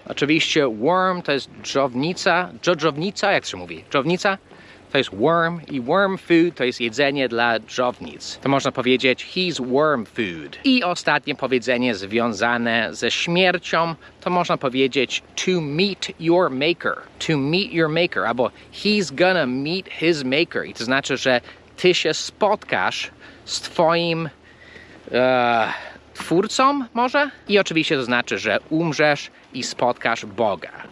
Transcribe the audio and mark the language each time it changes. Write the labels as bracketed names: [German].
[Polish] Oczywiście worm to jest dżownica. Dżownica, jak się mówi? Dżownica? To jest worm. I worm food to jest jedzenie dla dżownic. To można powiedzieć [English] he's worm food. [Polish] I ostatnie powiedzenie związane ze śmiercią, to można powiedzieć [English] to meet your maker. To meet your maker. Albo he's gonna meet his maker. [Polish] I to znaczy, że ty się spotkasz z twoim twórcą może? I oczywiście to znaczy, że umrzesz i spotkasz Boga.